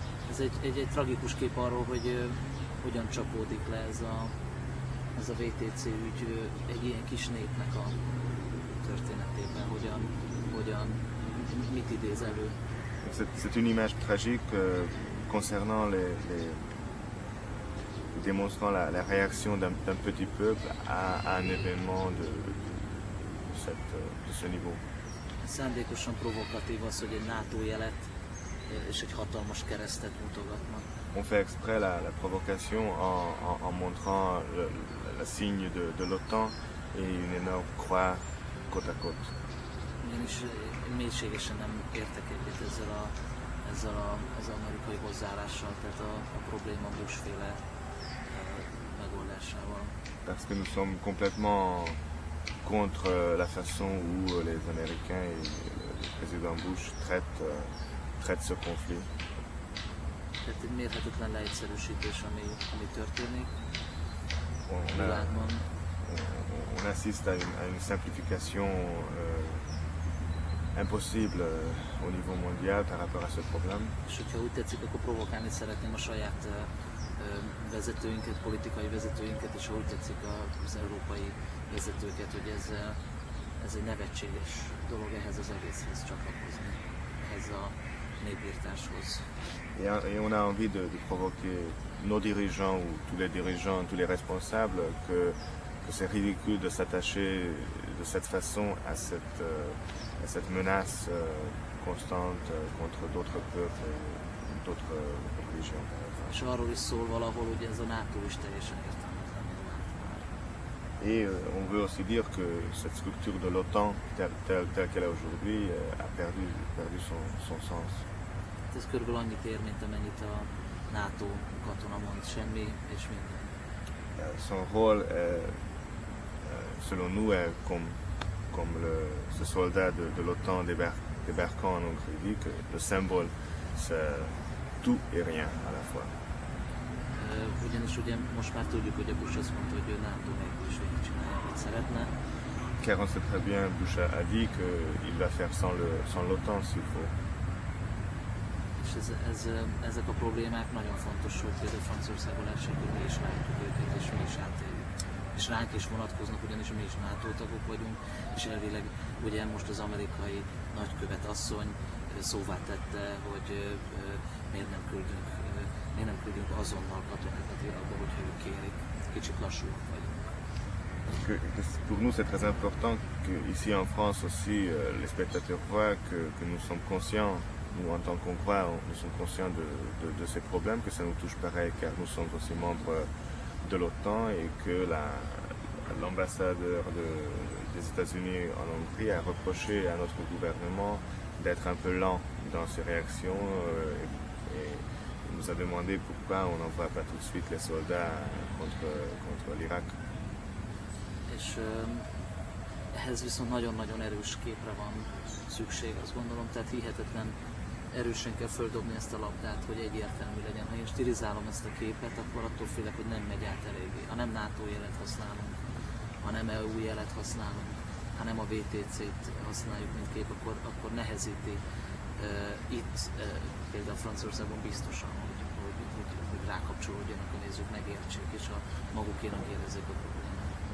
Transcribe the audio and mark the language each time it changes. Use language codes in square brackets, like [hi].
[hu] Ez egy tragikus kép arról, hogy hogyan csapódik le ez a VTC ügy egy ilyen kis népnek a történetében, hogyan mit idéz elő. [fr] C'est une image tragique concernant les démontrant la réaction d'un petit peuple à un événement de ce niveau. [hu] Szándékosan provokatív az, hogy egy NATO jelet és egy hatalmas keresztet mutogatnak. [fr] On fait exprès la provocation en montrant le signe de l'OTAN et une énorme croix côte à côte. [hu] Ugyanis mélységesen nem értek egyet ezzel az amerikai hozzáállással, tehát a probléma Bush-féle megoldásával. [fr] Parce que nous sommes complètement contre la façon où les Américains et le président Bush traitent ce conflit. [hu] Tehát egy mérhetetlen leegyszerűsítés, ami történik. [fr] On assiste à une simplification impossible au niveau mondial par rapport à ce problème. [hu] És hogyha úgy tetszik, akkor provokálni szeretném a saját vezetőinket, politikai vezetőinket, és ha úgy tetszik az európai vezetőket, hogy ez egy nevetséges dolog ehhez az egészhez csatlakozni, ehhez a népírtáshoz. [fr] Et on a envie de provoquer nos dirigeants ou tous les dirigeants, tous les responsables, que c'est ridicule de s'attacher de cette façon à cette menace constante contre d'autres peuples et d'autres religions. [hu] És arról is szól valahol, hogy ez a NATO is teljesen értelmetlen. [fr] Et on veut aussi dire que cette structure de l'OTAN telle qu'elle est aujourd'hui a perdu son sens. [hu] Ez körülbelül annyit ér, mint amennyit a NATO katona mond, semmi és minden. [fr] Son rôle selon nous est comme ce soldat de l'OTAN débarquant en Hongrie dit que le symbole c'est tout et rien à la fois. [hu] Ugyanis ugye most már tudjuk, hogy a Bush azt mondta, hogy a NATO nélkül is végig csinálja, amit szeretne. [fr] Car on sait très bien, Bush a dit qu'il va faire sans l'OTAN s'il faut. [hu] És ezek a problémák nagyon fontos, hogy például Franciaországon elsőkül mi is látjuk őket, és mi is átéljük. És ránk is vonatkoznak, ugyanis mi is NATO tagok vagyunk, és elvileg ugye most az amerikai nagykövet asszony szóvá tette, hogy miért nem küldünk azonnal katonákat Irakba, hogyha ők kérik. Kicsit lassúak vagyunk. [fr] Pour nous c'est très important que ici en France aussi les spectateurs voient que nous sommes conscients, nous en tant qu'on croit, nous sommes conscients de ces problèmes, que ça nous touche pareil car nous sommes aussi membres de l'OTAN et que l'ambassadeur des États-Unis en Hongrie a reproché à notre gouvernement d'être un peu lent dans ses réactions et nous a demandé pourquoi on n'envoie pas tout de suite les soldats contre l'Irak. [hu] Et ehhez viszont nagyon-nagyon erős képre van szükség, azt gondolom, tehát hihetetlen erősen kell földobni ezt a labdát, hogy egyértelmű legyen. Ha én stilizálom ezt a képet, akkor attól félek, hogy nem megy át eléggé. Ha nem NATO jelet használunk, ha nem EU jelet használunk, ha nem a VTC-t használjuk mint kép, akkor nehezíti itt, például Franciaországban biztosan, hogy rákapcsolódjanak a nézők, megértsék, és a magukénak érezzék a problémát.